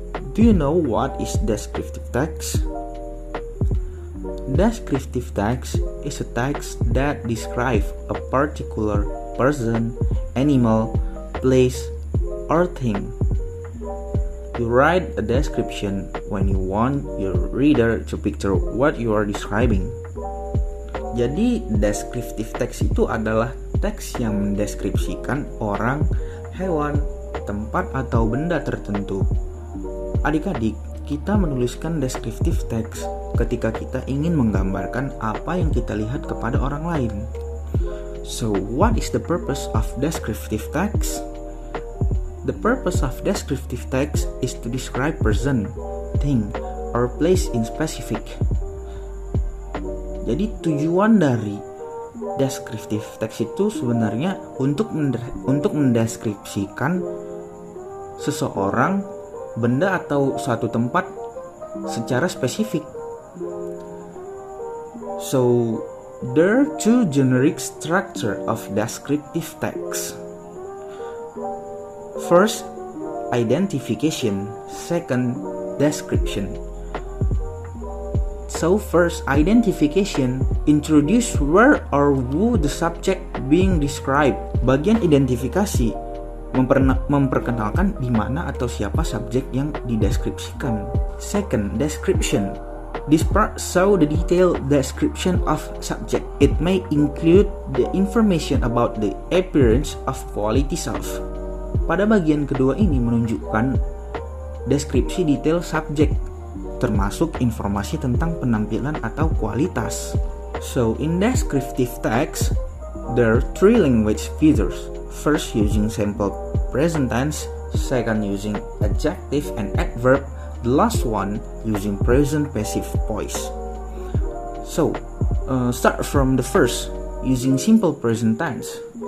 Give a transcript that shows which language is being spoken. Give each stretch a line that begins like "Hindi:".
English: Do you know what is descriptive text? Descriptive text is a text that describes a particular person, animal, place, or thing. You write a description when you want your reader to picture what you are describing.
Indonesian: Jadi, descriptive text itu adalah teks yang mendeskripsikan orang, hewan, tempat, atau benda tertentu. Adik-adik, kita menuliskan descriptive text ketika kita ingin menggambarkan apa yang kita lihat kepada orang lain.
English: So, what is the purpose of descriptive text? The purpose of descriptive text is to describe person, thing, or place in specific.
Indonesian: Jadi, tujuan dari descriptive text itu sebenarnya untuk mendeskripsikan seseorang, benda, atau suatu tempat secara spesifik.
English: So, there are two generic structure of descriptive text. First, identification. Second, description. So first, identification introduce where or who the subject being described.
Indonesian: Bagian identifikasi memperkenalkan di mana atau siapa subjek yang dideskripsikan.
English: Second, description. This part show the detailed description of subject. It may include the information about the appearance of qualities of.
Indonesian: Pada bagian kedua ini menunjukkan deskripsi detail subject, termasuk informasi tentang penampilan atau kualitas.
English: So, in descriptive text, there are three language features. First, using simple present tense. Second, using adjective and adverb. The last one, using present passive voice. So, start from the first, using simple present tense.